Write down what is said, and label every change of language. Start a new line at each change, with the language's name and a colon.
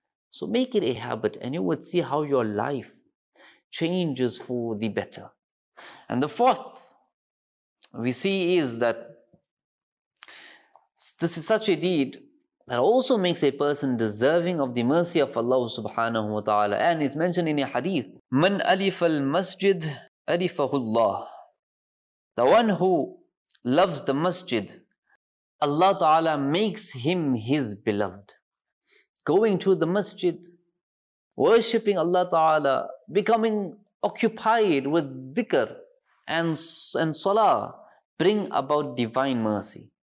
English: So make it a habit and you would see how your life changes for the better. And the fourth we see is that this is such a deed that also makes a person deserving of the mercy of Allah subhanahu wa ta'ala. And it's mentioned in a hadith,
Arabic: من ألف المسجد ألفه الله.
English: The one who loves the masjid, Allah ta'ala makes him his beloved. Going to the masjid, worshipping Allah ta'ala, becoming occupied with dhikr and salah, bring about divine mercy.